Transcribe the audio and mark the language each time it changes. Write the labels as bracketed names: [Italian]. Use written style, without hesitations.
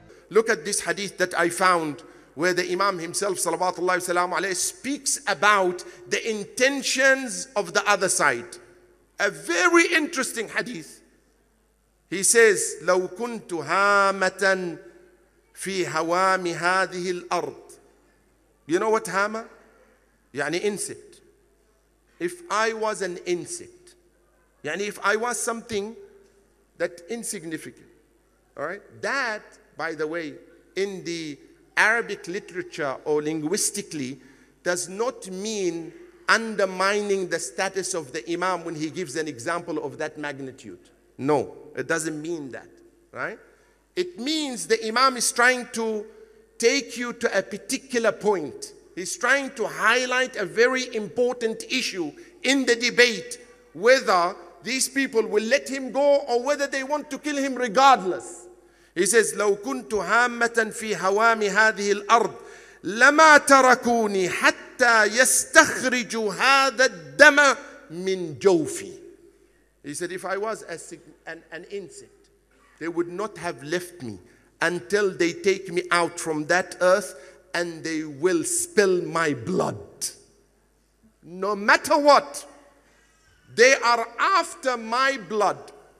[English] Look at this hadith that I found where the Imam himself, salawatullahi wasalamu alayhi, speaks about the intentions of the other side. A very interesting hadith. He says, [Arabic] لو كنت هامة في هوام هذه الأرض. [English] You know what هامة? يعني insect. If I was an insect, يعني if I was something that insignificant, all right? That, by the way, in the Arabic literature or linguistically, does not mean undermining the status of the Imam when he gives an example of that magnitude. No, it doesn't mean that, right? It means the Imam is trying to take you to a particular point. He's trying to highlight a very important issue in the debate, whether these people will let him go or whether they want to kill him regardless. He says, [Arabic] لو كنت هامة في هوام هذه الأرض لما تركوني حتى يستخرجوا هذا الدم من جوفي. [English] He said, if I was an insect, they would not have left me until they take me out from that earth and they will spill my blood. No matter what, they are after my blood.